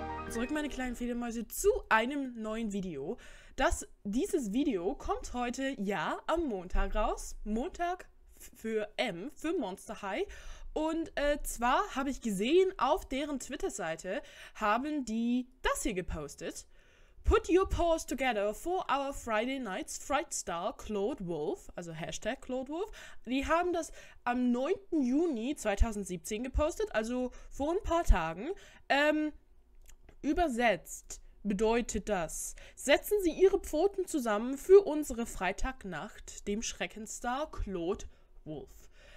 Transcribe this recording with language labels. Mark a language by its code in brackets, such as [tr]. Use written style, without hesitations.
[de] zurück, meine kleinen Fledermäuse, zu einem neuen Video. Dieses Video kommt heute, ja, am Montag raus. Montag für Monster High. Und zwar habe ich gesehen, auf deren Twitter-Seite haben die das hier gepostet. [en] Put your paws together for our Friday Night's Fright Star Claude Wolf, also Hashtag Claude Wolf. [de] Die haben das am 9. Juni 2017 gepostet, also vor ein paar Tagen. Übersetzt bedeutet das, setzen Sie Ihre Pfoten zusammen für unsere Freitagnacht, dem Schreckenstar Claude Wolf.